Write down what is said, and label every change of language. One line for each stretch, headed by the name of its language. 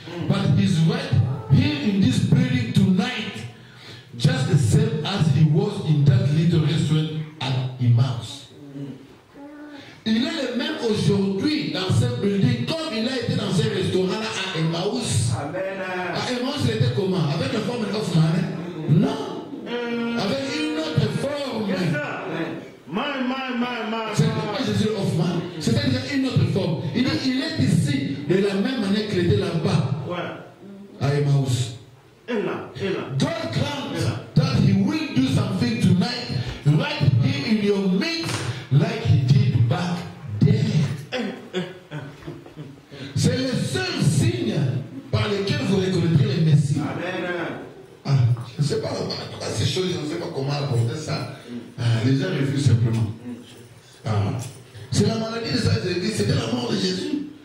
English: But he's right here in this building tonight, just the same as he was in that little restaurant at Emmaus.
French: Il est le même aujourd'hui dans cette building comme il a été dans ce restaurant-là à Emmaus. Amen. À Emmaus, il était comment? Avec la forme de Hoffman, hein? Non. Avec une autre forme.
English: Yes, sir. My.
French: C'était pas Jésus Hoffman. C'était déjà une autre forme. Il dit il est ici de la même manière qu'il était là-bas. Ouais. À Emmaus. Et là.
English: God grant that he will do something tonight, right here in your midst, like he did back then.
French: C'est le seul signe par lequel vous reconnaîtrez le Messie. Amen. Ah, je ne sais pas pourquoi ces choses, je ne sais pas comment apporter ça. Les gens refusent simplement. Ah. C'est la maladie de ça, c'était la mort de Jésus.